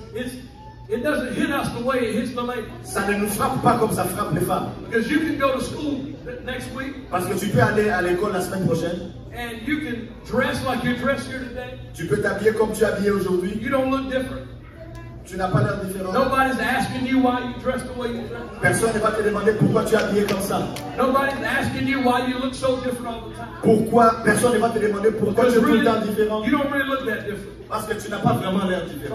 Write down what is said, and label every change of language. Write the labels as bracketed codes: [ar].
[en] it doesn't hit us the way it hits the lady. [fr] Ça ne nous frappe pas comme ça frappe les femmes. [en] Because you can go to school next week. [fr] Parce que tu peux aller à l'école la semaine prochaine. [en] And you can dress like you dress here today. [fr] Tu peux t'habiller comme tu es habillé aujourd'hui. [en] You don't look different. [fr] Tu n'as pas l'air différent. [en] Nobody's asking you why you dress the way you dress. [fr] Personne ne va te demander pourquoi tu es habillé comme ça. [en] Nobody's asking you why you look so different all the time. [fr] Pourquoi personne ne va te demander pourquoi tu es [en] really, [fr] tout le temps différent. [en] You don't really look that different. [fr] Parce que tu n'as pas vraiment l'air différent.